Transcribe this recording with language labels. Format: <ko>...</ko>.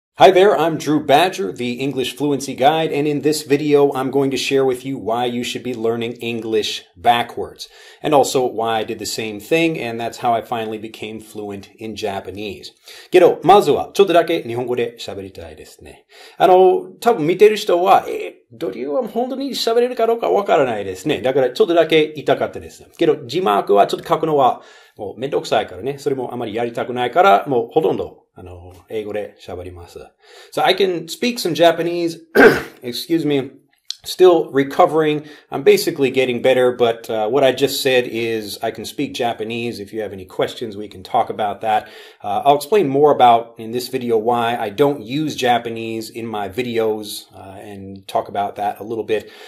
<en>Hi there, I'm Drew Badger, the English Fluency Guide, and in this video, I'm going to share with you why you should be learning English backwards, and also why I did the same thing, and that's how I finally became fluent in Japanese.</en> <ja>けど、まずは、ちょっとだけ日本語で喋りたいですね。多分見てる人は、ドリューは本当に喋れるかどうかわからないですね。だから、ちょっとだけ言いたかったです。けど、字幕はちょっと書くのは、もうめんどくさいからね。それもあまりやりたくないから、もうほとんど、英語で喋ります。</ja> <en>So I can speak some Japanese. Excuse me. Still recovering. I'm basically getting better, but what I just said is I can speak Japanese. If you have any questions, we can talk about that. I'll explain more about in this video why I don't use Japanese in my videos and talk about that a little bit.</en>